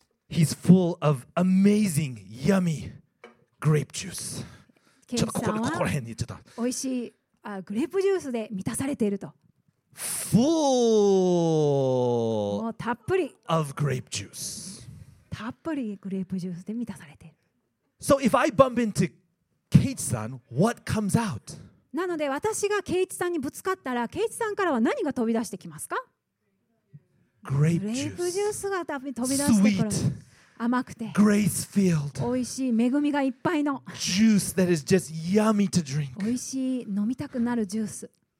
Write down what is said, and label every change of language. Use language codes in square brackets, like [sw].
[en] He's full of amazing, yummy grape juice. [ja] ケイチさんはちょっとここら辺に言っちゃった。美味しいグレープジュースで満たされていると。 [en] Full of grape juice. [ja] たっぷりグレープジュースで満たされている。 [en] So if I bump into Keiichi-san, what comes out? [ja] なので私がケイチさんにぶつかったら、ケイチさんからは何が飛び出してきますか？ [en] Grape juice. [ja] グレープジュースが飛び出してくる。 [en] Sweet. [ja] 甘くて。 [en] Grace filled. [ja] 美味しい恵みがいっぱいの。 [en] Juice that is just yummy to drink. [ja] 美味しい飲みたくなるジュース。